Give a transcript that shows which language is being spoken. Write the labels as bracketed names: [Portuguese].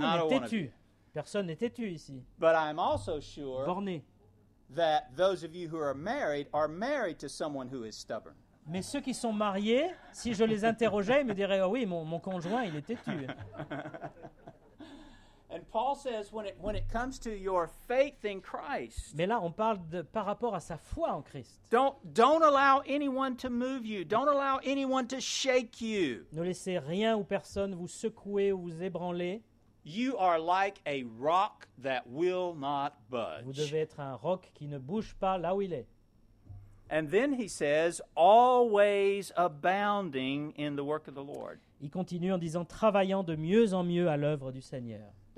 [English] Not [French] n'est têtu. Personne n'est têtu ici. [English] But I'm also sure [French] borné. [English] That those of you who are married to someone who is stubborn. [French] Mais ceux qui sont mariés, si je les interrogeais, ils me diraient, oh oui, mon conjoint, il est têtu. [English] And Paul says, when it comes to your faith in Christ, [French] mais là, on parle de, par rapport à sa foi en Christ. [English] Don't allow anyone to move you. Don't allow anyone to shake you. [French] Ne laissez rien ou personne vous secouer ou vous ébranler. [English] You are like a rock that will not budge. [French] Vous devez être un roc qui ne bouge pas là où il est. [English] And then he says, always abounding in the work of the Lord. [French] Il continue en disant, travaillant de mieux en mieux à l'œuvre du Seigneur.